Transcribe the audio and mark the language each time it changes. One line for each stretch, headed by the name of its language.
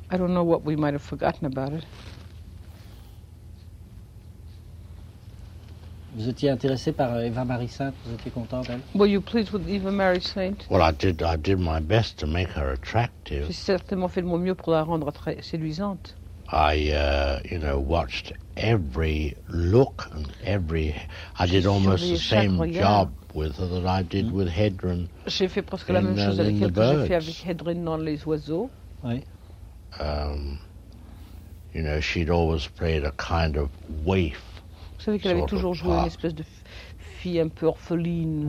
English: I don't know what we might have forgotten about it.
French: Vous étiez intéressé par Eva Marie Saint, vous étiez content d'elle?
English: Were you pleased with Eva Marie Saint? Well, I did my best to make her attractive.
French: J'ai certainement fait de mon mieux pour la rendre très séduisante.
English: I watched every look and every. I did almost the same job with her that I did with Hedren.
French: J'ai fait presque la même chose avec elle que j'ai fait avec Hedren dans Les Oiseaux. Oui.
English: She'd always played a kind of waif.
French: Vous savez qu'elle avait toujours joué une espèce de fille un peu orpheline,